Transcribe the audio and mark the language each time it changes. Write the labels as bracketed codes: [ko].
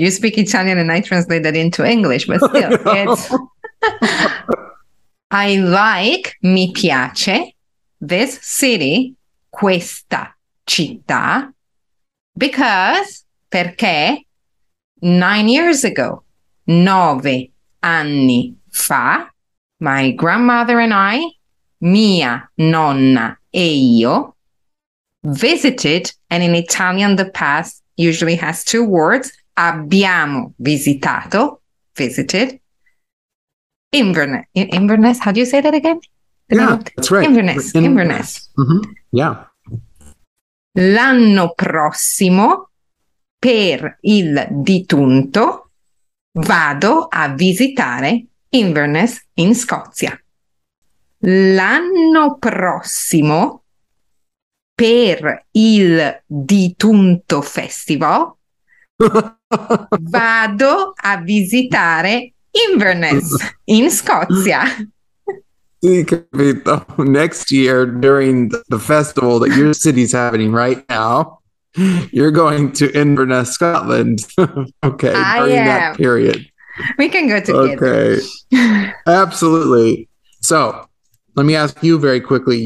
[en] You speak Italian and I translate that into English, but still, I like, [it] mi piace, [en] this city, [it] questa città, [en] because, [it] perché, [en] 9 years ago, [it] 9 anni fa, [en] my grandmother and I, [it] mia nonna e io, [en] visited, and in Italian the past usually has two words, [it] abbiamo visitato, [en] visited, Inverness, how do you say that again? That's right. Inverness. Mm-hmm. Yeah. [it] L'anno prossimo, per il ditunto, vado a visitare Inverness in Scozia. L'anno prossimo, per il ditunto festival, vado a visitare Inverness in Scozia. Sì, capito. [en] Next year, during the festival that your city's having right now, you're going to Inverness, Scotland. Okay, that period. We can go together. Okay, absolutely. So let me ask you very quickly.